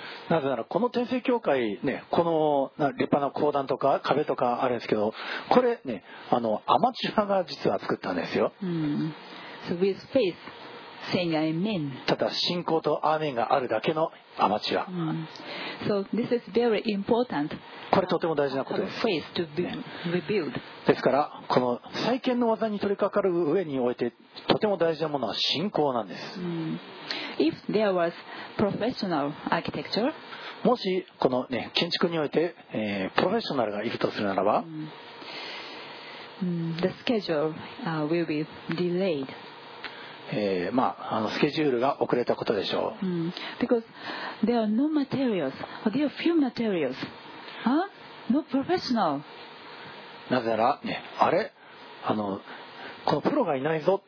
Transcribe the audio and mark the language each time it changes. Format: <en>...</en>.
<ja>なぜならこの天聖教会、ね、この立派な講壇とか壁とかあるんですけど、これ、ね、アマチュアが実は作ったんですよ。</ja> <en>So with faith, saying amen.</en> <ja>ただ信仰とアーメンがあるだけのアマチュア。</ja> <en>So this is very important.</en> <ja>これとても大事なことです。</ja> <en>Faith to be rebuild.</en> <ja>ですから、この再建の技に取り掛かる上においてとても大事なものは信仰なんです。</ja> <en>If there was professional architecture,</en> <ja>もしこの、ね、建築において、プロフェッショナルがいるとするならば、</ja> <en>the schedule, will be delayed.</en> <ja>まあ、スケジュールが遅れたことでしょう。</ja> <en>Because there are no materials, or there are few materials. No professional.</en> <ja>なぜなら、ね、あれ、このプロがいないぞ。</ja>